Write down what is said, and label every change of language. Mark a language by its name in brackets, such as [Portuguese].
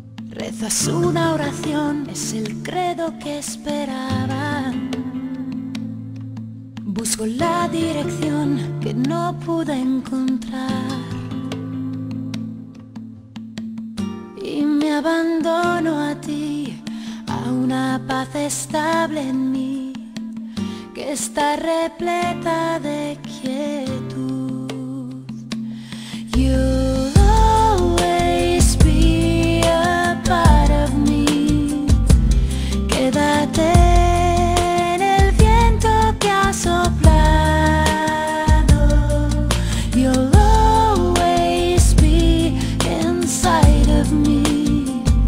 [Spanish] rezas una oración, es el credo que esperaba, busco la dirección que no pude encontrar y me abandono a ti. Una paz estable en mí que está repleta de quietud. [English] You'll always be a part of me. [Spanish] Quédate en el viento que ha soplado. [English] You'll always be inside of me.